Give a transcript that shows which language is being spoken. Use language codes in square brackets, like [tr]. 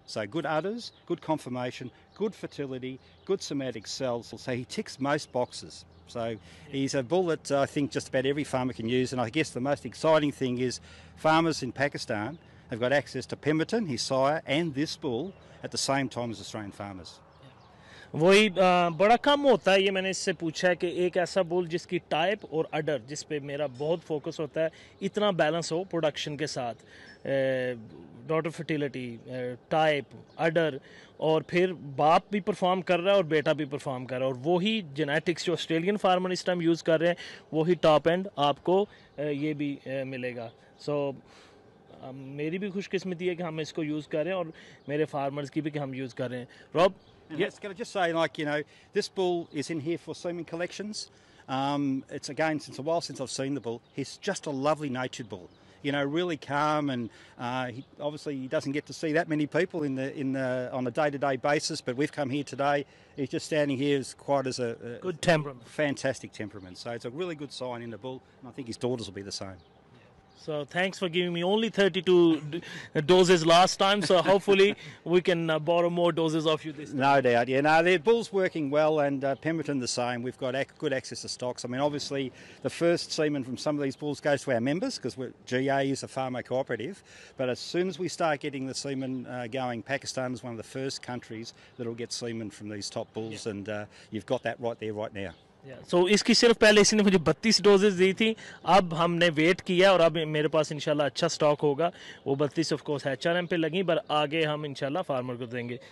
[en] So good udders, good confirmation, good fertility, good somatic cells. So he ticks most boxes. So he's a bull that I think just about every farmer can use. And I guess the most exciting thing is farmers in Pakistan have got access to Pemberton, his sire, and this bull at the same time as Australian farmers. [ur] وہی بڑا کم ہوتا ہے, یہ میں نے اس سے پوچھا ہے کہ ایک ایسا بول جس کی ٹائپ اور اڈر جس پہ میرا بہت فوکس ہوتا ہے اتنا بیلنس ہو پروڈکشن کے ساتھ, ڈاٹر فرٹیلٹی, ٹائپ, اڈر, اور پھر باپ بھی پرفارم کر رہا ہے اور بیٹا بھی پرفارم کر رہا ہے, اور وہی جینیٹکس جو آسٹریلین فارمر اس ٹائم یوز کر رہے ہیں وہی ٹاپ اینڈ آپ کو یہ بھی ملے گا. سو میری بھی خوش قسمتی ہے کہ ہم اس کو یوز کر رہے ہیں اور میرے فارمرز کی بھی کہ ہم یوز کر رہے ہیں. [en] Rob, yes, can I just say, like, you know, this bull is in here for semen collections. It's, again, since a while since I've seen the bull, he's just a lovely natured bull, you know, really calm, and he doesn't get to see that many people in the on a day-to-day basis, but we've come here today, he's just standing here as quiet as a good temperament, fantastic temperament. So it's a really good sign in the bull, and I think his daughters will be the same. So thanks for giving me only 32 doses last time. So hopefully we can borrow more doses off you this time. No doubt. Yeah, no, the bull's working well, and Pemberton the same. We've got good access to stocks. I mean, obviously, the first semen from some of these bulls goes to our members because GA is a farmer cooperative. But as soon as we start getting the semen going, Pakistan is one of the first countries that will get semen from these top bulls. Yeah. And you've got that right there right now. [ur] سو اس کی صرف پہلے اسی نے مجھے 32 doses دی تھیں, اب ہم نے ویٹ کیا اور اب میرے پاس انشاءاللہ اچھا سٹاک ہوگا. وہ 32 [en] of course [ur] H R M پہ لگیں, پر آگے ہم انشاءاللہ فارمر کو دیں گے.